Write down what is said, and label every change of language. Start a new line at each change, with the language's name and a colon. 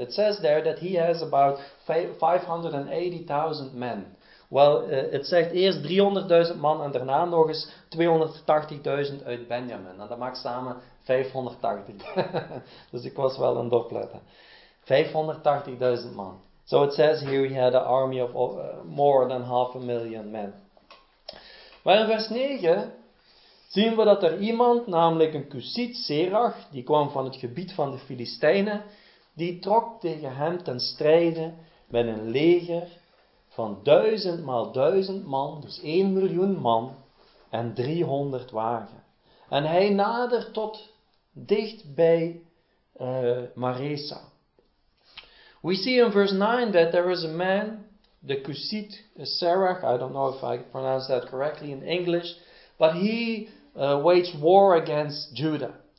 English: It says there that he has about 580.000 men.
Dutch: Well, het zegt eerst 300.000 man en daarna nog eens 280.000 uit Benjamin. En dat maakt samen 580. Dus ik was wel aan het opletten.
English: 580.000 man. So it says here he had an army of more than 500.000 men.
Dutch: Maar in vers 9 zien we dat er iemand, namelijk een Kusiet Serach, die kwam van het gebied van de Filistijnen, die trok tegen hem ten strijde met een leger van 1000 × 1000 man, dus 1 miljoen man, en 300 wagen. En hij nadert tot dicht bij Maresa.
English: We see in verse 9 that there is a man, the Kusiet Serach, I don't know if I pronounce that correctly in English, but he waged war against Judah.